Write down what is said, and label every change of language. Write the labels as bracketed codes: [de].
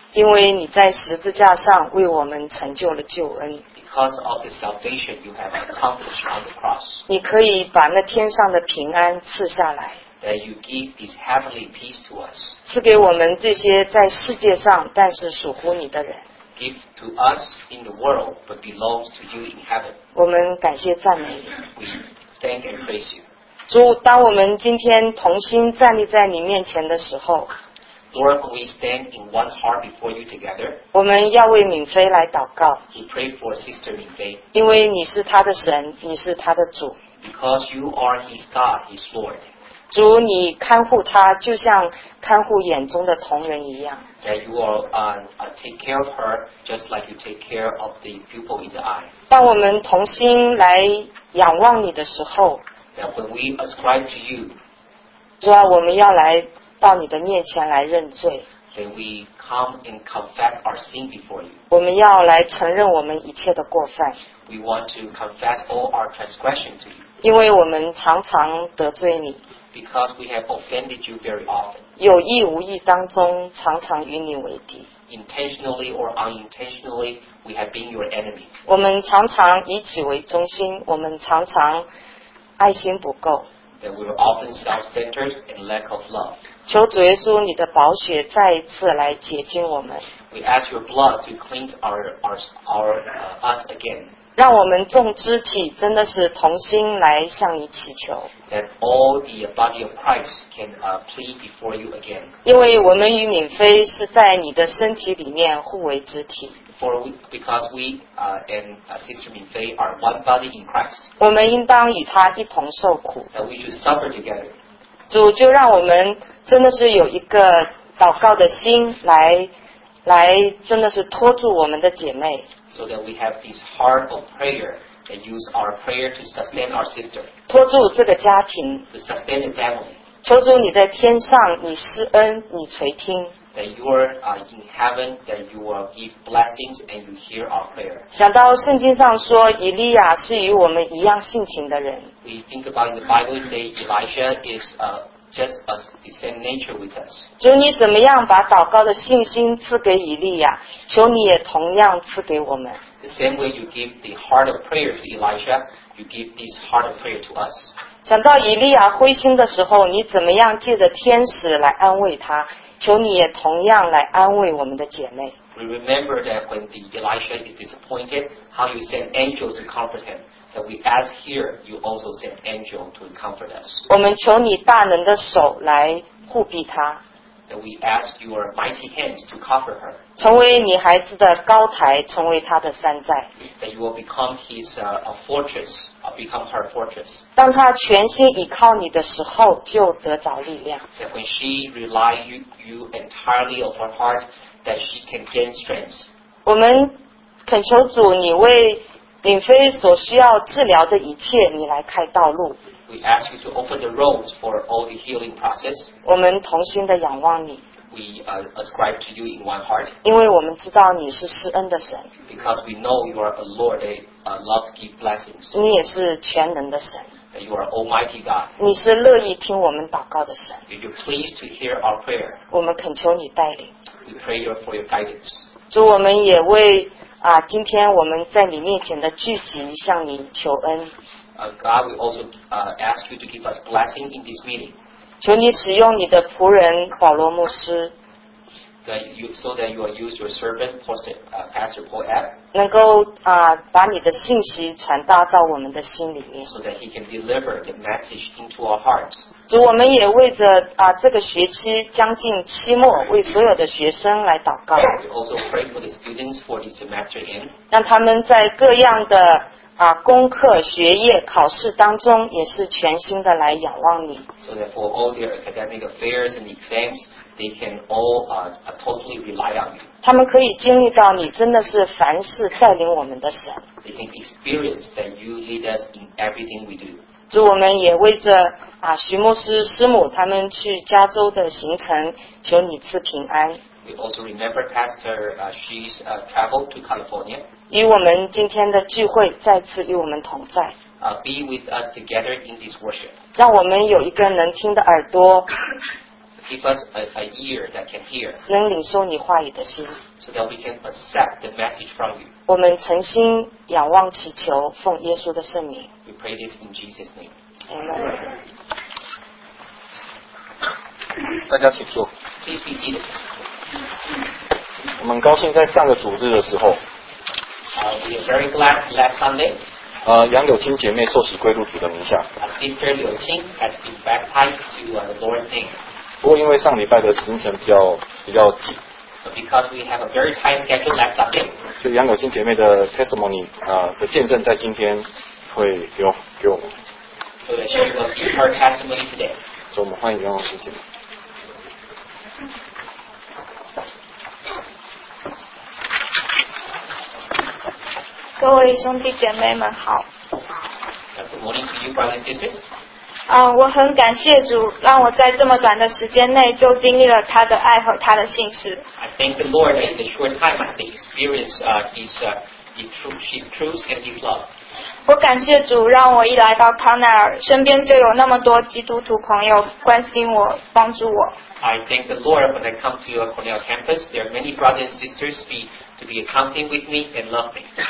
[zh] 因为你在十字架上为我们成就了救恩。 [en] Because of the salvation you have accomplished on the cross. [zh] 你可以把那天上的平安赐下来。 [en] That you give this heavenly peace to us. [zh] 赐给我们这些在世界上但是属乎你的人。 [en] Give to us in the world but belongs to you in heaven. [zh] 我们感谢赞美你。 [en] We thank and praise you. [zh] 主，当我们今天同心站立在你面前的时候， [en] Lord, when we stand in one heart before you together, [zh] 我们要为敏菲来祷告。 [en] We pray for Sister Minfei. [zh] 因为你是她的神，你是她的主。 [en] Because you are his God, his Lord. [zh] 主，你看护她，就像看护眼中的瞳人一样。 [en] That you will take care of her just like you take care of the pupil in the eye. [zh] 当我们同心来仰望你的时候， [en] That when we ascribe to you, [zh] 主啊，我们要来到你的面前来认罪。 [en] Then we come and confess our sin before you. [zh] 我们要来承认我们一切的过犯。 [en] We want to confess all our transgression to you. [zh] 因为我们常常得罪你。 [en] Because we have offended you very often. [zh] 有意无意当中常常与你为敌。 [en] Intentionally or unintentionally, we have been your enemy. [zh] 我们常常以己为中心，我们常常爱心不够。 [en] That we are often self-centered and lack of love. [zh] 求主耶稣你的宝血再一次来洁净我们。 [en] We ask your blood to cleanse us again. [zh] 让我们众肢体真的是同心来向你祈求。 [en] That all the body of Christ can plead before you again. [zh] 因为我们与敏菲是在你的身体里面互为肢体。 [en] Because we and Sister Minfei are one body in Christ. [zh] 我们应当与他一同受苦。 [en] That we should suffer together. [zh] 主，就让我们真的是有一个祷告的心来真的是托住我们的姐妹。 [en] So that we have this heart of prayer and use our prayer to sustain our sister. [zh] 托住这个家庭。 [en] To sustain the family. [zh] 求主你在天上，你施恩，你垂听。 [en] That you are in heaven, that you will give blessings and you hear our prayer. [zh] 想到圣经上说，以利亚是与我们一样性情的人。 [en] We think about the Bible say Elisha is just the same nature with us. [zh] 主，你怎么样把祷告的信心赐给以利亚？求你也同样赐给我们。 [en] The same way you give the heart of prayer to Elisha, you give this heart of prayer to us. [zh] 想到以利亚灰心的时候，你怎么样借着天使来安慰他？求你也同样来安慰我们的姐妹。 [en] We remember that when the Elisha is disappointed, how you send angels to comfort him. That we ask here, you also send angels to comfort us. [zh] 我们求你大能的手来护庇他。 [en] That we ask your mighty hands to cover her. [zh] 成为你孩子的高台，成为他的山寨。 [en] That you will become his fortress, become her fortress. [zh] 当他全心依靠你的时候，就得着力量。 [en] That when she relies you entirely of her heart, that she can gain strength. [zh] 我们恳求主，你为敏菲所需要治疗的一切，你来开道路。 [en] We ask you to open the roads for all the healing process. [zh] 我们同心的仰望你。 [en] We ascribe to you in one heart. [zh] 因为我们知道你是施恩的神。 [en] Because we know you are a Lord that loves to give blessings. [zh] 你也是全能的神。 [en] You are Almighty God. [zh] 你是乐意听我们祷告的神。 [en] Are you pleased to hear our prayer? [zh] 我们恳求你带领。 [en] We pray for your guidance. [zh] 主，我们也为今天我们在你面前的聚集向你求恩。 [en] God, we also ask you to give us blessing in this meeting. [zh] 求你使用你的仆人保罗牧师。 [en] So that you will use your servant, Pastor Paul Abb. [zh] 能够把你的信息传达到我们的心里面。 [en] So that he can deliver the message into our hearts. [zh] 主，我们也为着这个学期将近期末，为所有的学生来祷告。 [en] We also pray for the students for the semester end. [zh] 让他们在各样的功课、学业、考试当中，也是全心的来仰望你。 [en] So that for all their academic affairs and exams, they can all totally rely on you. [zh] 他们可以经历到你真的是凡事带领我们的神。 [en] They can experience that you lead us in everything we do. [zh] 主我们也为着啊徐牧师师母他们去加州的行程求你赐平安。 [en] We also remember Pastor, she's traveled to California. [zh] 与我们今天的聚会再次与我们同在。 [en] Be with us together in this worship. [zh] 让我们有一个能听的耳朵。 [en] Give us a ear that can hear. [zh] 能领受你话语的心。 [en] So that we can accept the message from you. [zh] 我们诚心仰望祈求，奉耶稣的圣名。 [en] We pray this in Jesus' name. Amen. [zh] 大家请坐。 [en] Please be seated. [zh] 我们高兴在上个主日的时候 [en] we are very glad last Sunday, [zh] 杨柳青姐妹受洗归入主的名下 [en] Sister Liu Qing has been baptized to the Lord's name. [zh] 不过因为上礼拜的行程比较紧 [en] But because we have a very tight schedule last Sunday, [zh] 就杨柳青姐妹的 testimony, 的见证在今天会给我们 [en] So that she will give her testimony today. [zh] 所以我们欢迎杨柳青姐妹各位兄弟姐妹们好 [en] Good morning to you, brothers and sisters. [zh] 我很感谢主让我在这么短的时间内就经历了他的爱和他的信实 [en] I thank the Lord in the short time I've experienced his truth and his love. [zh] 我感谢主让我一来到康奈尔身边就有那么多基督徒朋友关心我帮助我 [en] I thank the Lord when I come to your Cornell campus. There are many brothers and sisters to be accompanied with me and love me.